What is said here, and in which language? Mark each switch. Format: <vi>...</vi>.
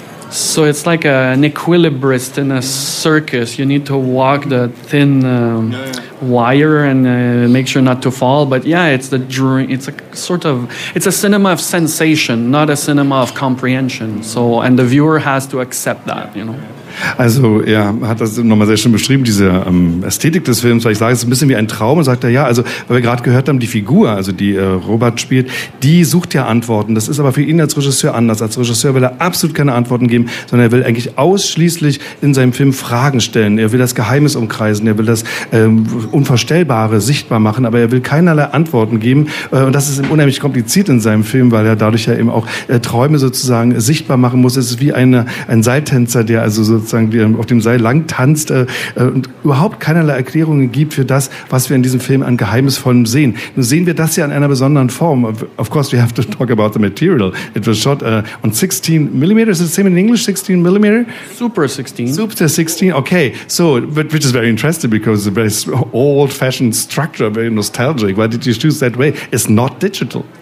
<en>So it's like an equilibrist in a circus. You need to walk the thin wire and make sure not to fall. But yeah, it's the dream. It's a sort of, it's a cinema of sensation, not a cinema of comprehension. So, and the viewer has to accept that, you know.</en> <de>Also er hat das nochmal sehr schön beschrieben, diese Ästhetik des Films, weil ich sage, es ist ein bisschen wie ein Traum, und sagt er, ja, also weil wir gerade gehört haben, die Figur, also die Robert spielt, die sucht ja Antworten. Das ist aber für ihn als Regisseur anders. Als Regisseur will er absolut keine Antworten geben, sondern er will eigentlich ausschließlich in seinem Film Fragen stellen. Er will das Geheimnis umkreisen, er will das Unvorstellbare sichtbar machen, aber er will keinerlei Antworten geben. Und das ist unheimlich kompliziert in seinem Film, weil er dadurch ja eben auch Träume sozusagen sichtbar machen muss. Es ist wie ein Seiltänzer, der also so sozusagen auf dem Seil lang tanzt und überhaupt keinerlei Erklärungen gibt für das, was wir in diesem Film an Geheimnisvollem sehen. Nun sehen wir das ja in einer besonderen Form.</de> <en>Of course, we have to talk about the material. It was shot on 16 millimeter. Is it the same in English, 16 millimeter? Super 16. Super 16, okay. So, which is very interesting because it's a very old-fashioned structure, very nostalgic. Why did you choose that way? It's not digital.</en>